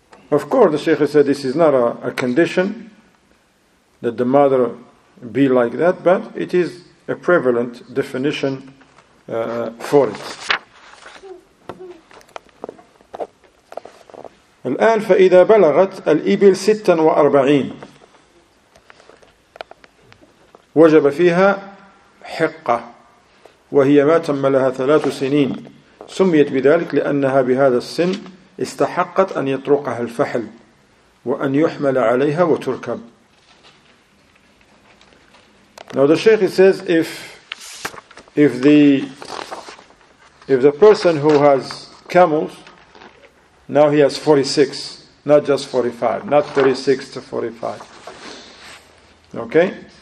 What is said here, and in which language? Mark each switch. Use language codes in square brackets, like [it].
[en] Of course, the Shaykh said this is not a condition that the mother be like that, but it is a prevalent definition for it. [ar] الآن فإذا بلغت الإبل 46 وجب فيها حقة وهي ما تم لها 3 سميت بذلك لأنها بهذا السن استحقت أن يطرقها الفحل وأن يحمل عليها وتركب. [en] Now the Shaykh says if the person who has camels, now he has 46, not just 45, not 36 to 45. Okay?